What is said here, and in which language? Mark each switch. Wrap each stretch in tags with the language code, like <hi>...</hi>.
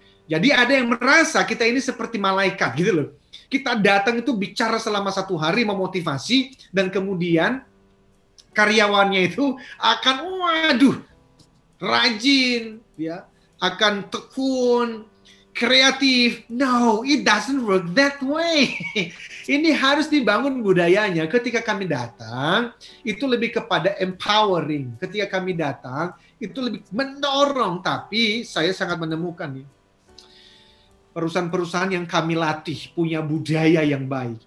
<id>Jadi ada yang merasa kita ini seperti malaikat gitu loh. Kita datang itu bicara selama satu hari, memotivasi, dan kemudian karyawannya itu akan waduh, rajin, ya, akan tekun, kreatif.</id> <en>No, it doesn't work that way.</en> <id>Ini harus dibangun budayanya. Ketika kami datang, itu lebih kepada empowering. Ketika kami datang, itu lebih mendorong. Tapi saya sangat menemukan ya, perusahaan-perusahaan yang kami latih punya budaya yang baik.</id>